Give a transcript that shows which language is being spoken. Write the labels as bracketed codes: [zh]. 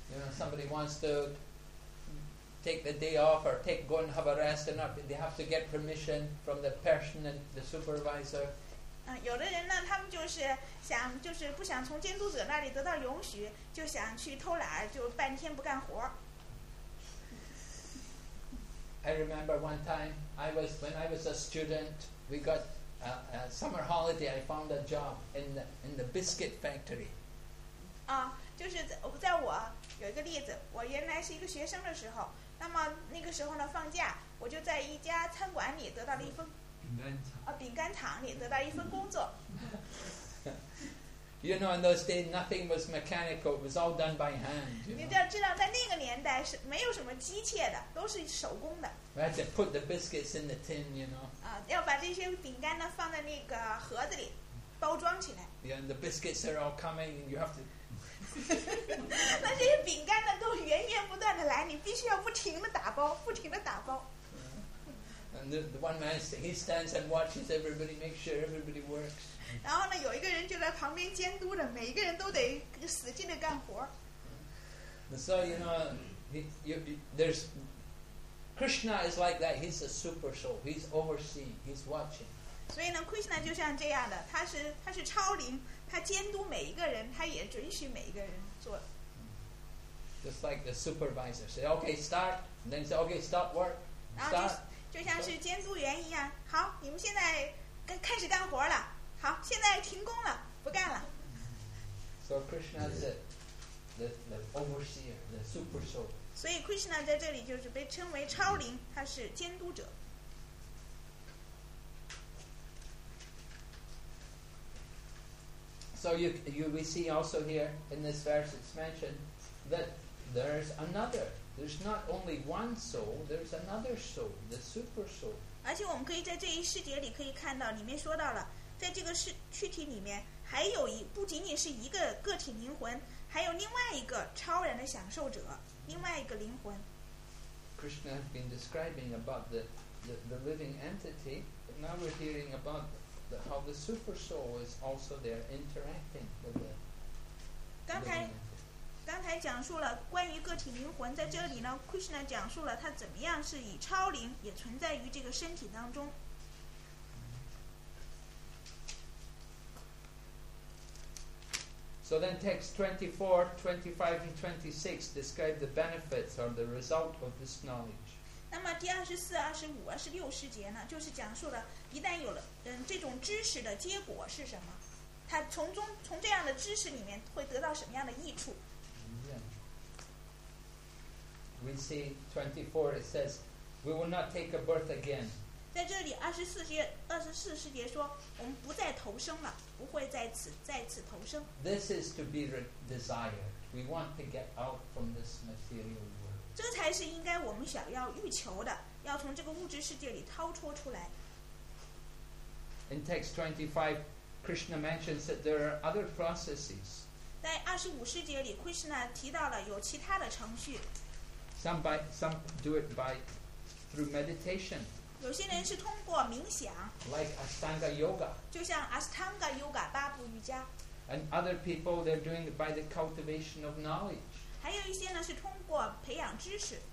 [en] Somebody wants to take the day off or take go and have a rest, and they have to get permission from the person and the supervisor. [zh] 有的人呢，他们就是想，就是不想从监督者那里得到允许，就想去偷懒，就半天不干活。 [en] I remember one time when I was a student, we got a summer holiday. I found a job in the biscuit factory. [zh] 就是在我有一个例子，我原来是一个学生的时候。那么那个时候呢，放假我就在一家餐馆里得到了一份饼干厂里得到一份工作。 [en] You know, in those days, nothing was mechanical; it was all done by hand. You know? [zh] 你知道，在那个年代是没有什么机械的，都是手工的。 [en] We had to put the biscuits in the tin, you know. [zh] 要把这些饼干呢放在那个盒子里包装起来。 [en] Yeah, and the biscuits are all coming, and you have to. [zh] 那这些饼干呢，都源源不断的来，你必须要不停的打包，不停的打包。 [en] And the one man, he stands and watches everybody, make sure everybody works. [zh] 然后呢，有一个人就在旁边监督着，每一个人都得使劲的干活。 [en] So you know, there's Krishna is like that. He's a super soul. He's overseeing. He's watching. [zh] 所以呢 ，Krishna 就像这样的，他是超灵。他监督每一个人，他也准许每一个人做。 [en] Just like the supervisor say, okay, start, and then say, okay, stop work. Start. [zh] 然后就像是监督员一样，好，你们现在开始干活了，好，现在停工了，不干了。 [en] So Krishna is the overseer, the super soul. [zh] 所以 Krishna 在这里就是被称为超灵，他是监督者。 [en] So we see also here in this verse it's mentioned that there's another. There's not only one soul. There's another soul, the super soul. [zh] 而且我们可以在这一世界里可以看到，里面说到了，在这个躯体里面还有不仅仅是一个个体灵魂，还有另外一个超然的享受者，另外一个灵魂。 [en] Krishna has been describing about the living entity, but now we're hearing about how the super soul is also there interacting with the. [zh] 刚才讲述了关于个体灵魂，在这里呢 ，Krishna 讲述了他怎么样是以超灵也存在于这个身体当中。 [en] So then, text 24, 25, and 26 describe the benefits or the result of this knowledge. [zh] 那么第二十四、二十五、二十六世节呢，就是讲述了一旦有了这种知识的结果是什么，他从这样的知识里面会得到什么样的益处。 [en] Yeah. We see 24, it says, we will not take a birth again. [zh] 在这里二十四世节说，我们不再投生了，不会再次投生。 [en] This is to be desired. We want to get out from this material world. [zh] 这才是应该我们想要欲求的，要从这个物质世界里掏脱出来。 [en] In text 25, Krishna mentions that there are other processes. [zh] 在二十五世节里 ，Krishna 提到了有其他的程序。 [en] Some do it by through meditation. [zh] 有些人是通过冥想。 [en] Like Ashtanga Yoga. [zh] 就像 Ashtanga Yoga 八步瑜伽。 [en] And other people, they're doing it by the cultivation of knowledge. [zh] 还有一些呢是通过培养知识。